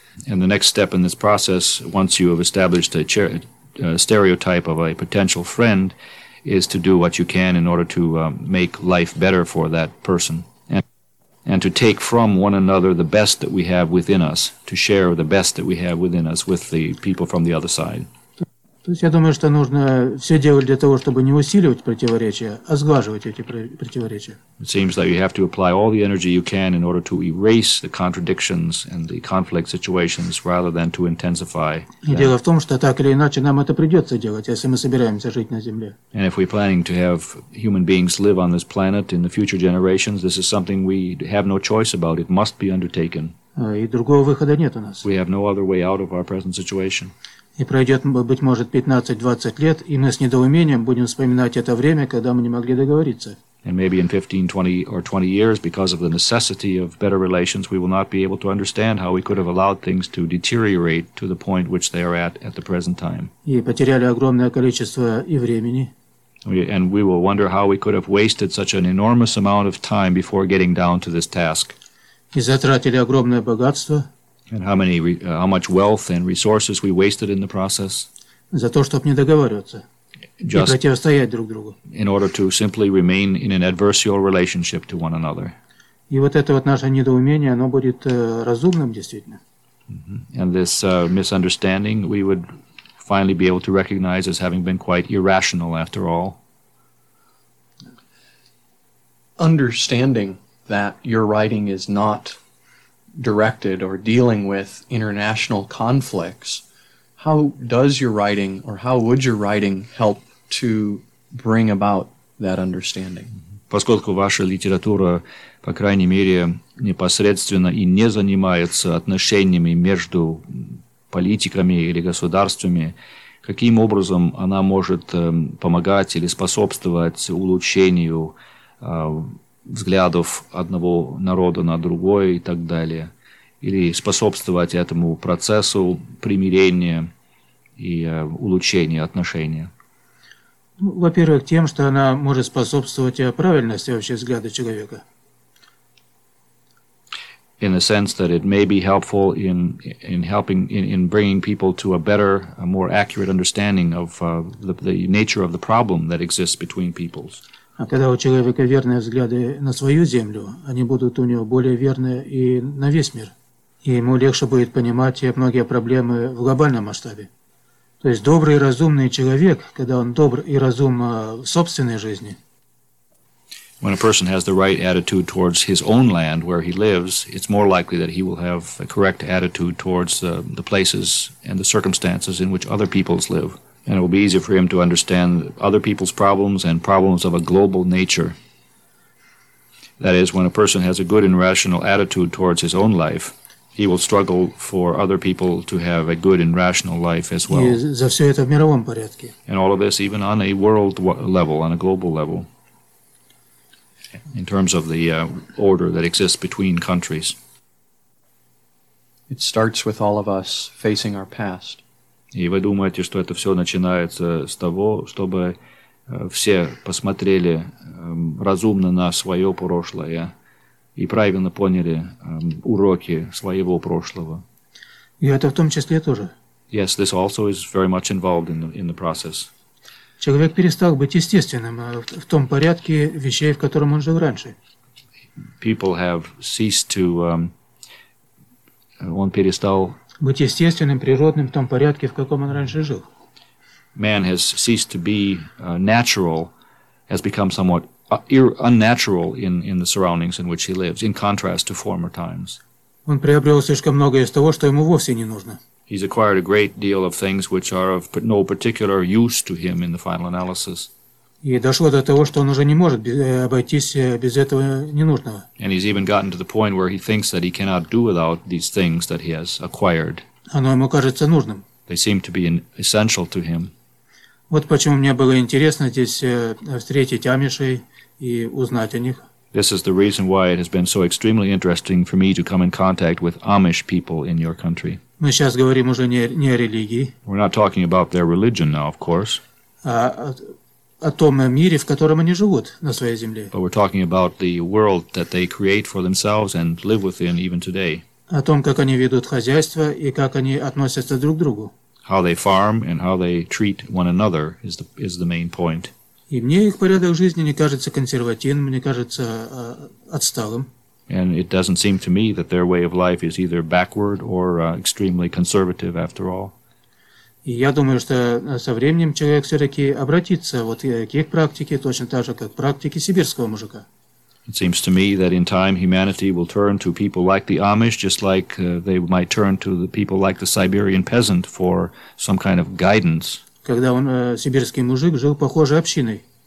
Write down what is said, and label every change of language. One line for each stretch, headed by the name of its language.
English: And the next step in this process, once you have established a stereotype of a potential friend, is to do what you can in order to make life better for that person and to take from one another the best that we have within us, to share the best that we have within us with the people from the other side.
Russian: То есть я думаю, что нужно все делать для того, чтобы не усиливать противоречия, а сглаживать эти противоречия.
English: It seems that you have to apply all the energy you can in order to erase the contradictions and the conflict situations rather than to intensify.
Russian: И дело в том, что так или иначе нам это придется делать, если мы собираемся жить на Земле.
English: And if we're planning to have human beings live on this planet in the future generations, this is something we have no choice about. It must be undertaken.
Russian: И другого выхода нет у нас.
English: We have no other way out of our present situation.
Russian: И пройдет, быть может, 15-20 лет, и мы с недоумением будем вспоминать это время, когда мы не могли договориться.
English: And maybe in 15-20 or 20 years, because of the necessity of better relations, we will not be able to understand how we could have allowed things to deteriorate to the point which they are at the present time.
Russian: И потеряли огромное количество и времени.
English: And we will wonder how we could have wasted such an enormous amount of time before getting down to this task.
Russian: И затратили огромное богатство.
English: And how much wealth and resources we wasted in the process?
Russian: За то, чтобы не договариваться и противостоять друг другу.
English: In order to simply remain in an adversarial relationship to one another.
Russian: И вот это вот наше недоумение, оно будет разумным, действительно.
English: And this misunderstanding we would finally be able to recognize as having been quite irrational after all. Understanding that your writing is not directed or dealing with international conflicts, how does your writing or how would your writing help to bring about that understanding?
Russian: Поскольку ваша литература, по крайней мере, непосредственно и не занимается отношениями между политиками или государствами, каким образом она может помогать или способствовать улучшению взглядов одного народа на другое и так далее, или способствовать этому процессу примирения и улучшения отношений? Ну, во-первых, тем, что она может способствовать правильности вообще взгляда человека.
English: In the sense that it may be helpful in helping in bringing people to a better, a more accurate understanding of the nature of the problem that exists between peoples.
Russian: А когда у человека верные взгляды на свою землю, они будут у него более верные и на весь мир. И ему легче будет понимать многие проблемы в глобальном масштабе. То есть добрый и разумный человек, когда он добр и разум в собственной жизни.
English: When a person has the right attitude towards his own land where he lives, it's more likely that he will have a correct attitude towards the places and the circumstances in which other peoples live. And it will be easier for him to understand other people's problems and problems of a global nature. That is, when a person has a good and rational attitude towards his own life, he will struggle for other people to have a good and rational life as well. And all of this even on a world level, on a global level, in terms of the order that exists between countries. It starts with all of us facing our past.
Russian: И вы думаете, что это все начинается с того, чтобы все посмотрели разумно на свое прошлое и правильно поняли уроки своего прошлого? И это в том числе тоже.
English: Yes, this also is very much involved in the process.
Russian: Человек перестал быть естественным в том порядке вещей, в котором он жил раньше.
English: People have ceased to...
Russian: Он перестал... Быть естественным, природным в том порядке, в каком он раньше жил.
English: Man has ceased to be natural, has become somewhat unnatural in the surroundings in which he lives, in contrast to former times.
Russian: Он приобрел слишком много из того, что ему вовсе не нужно.
English: He's acquired a great deal of things which are of no particular use to him in the final analysis.
Russian: И дошло до того, что он уже не может обойтись без этого ненужного.
English: And he's even gotten to the point where he thinks that he cannot do without these things that he has acquired.
Russian: Оно ему кажется нужным.
English: They seem to be essential to him.
Russian: Вот почему мне было интересно здесь встретить амишей и узнать о них.
English: This is the reason why it has been so extremely interesting for me to come in contact with Amish people in your country.
Russian: Мы сейчас говорим уже не о религии.
English: We're not talking about their religion now, of course.
Russian: О том мире, в котором они живут на своей земле.
English: But we're talking about the world that they create for themselves and live within even today.
Russian: О том, как они ведут хозяйство и как они относятся друг к другу.
English: How they farm and how they treat one another is the main point.
Russian: И мне их порядок жизни не кажется консервативным, мне кажется отсталым.
English: And it doesn't seem to me that their way of life is either backward or extremely conservative after all.
Russian: И я думаю, что со временем человек все-таки обратится вот к их практике, точно так же, как к практике сибирского мужика.
English: It seems to me that in time humanity will turn to people like the Amish, just like they might turn to the people like the Siberian peasant for some kind of guidance.
Russian: Когда он, сибирский мужик, жил похожей общиной.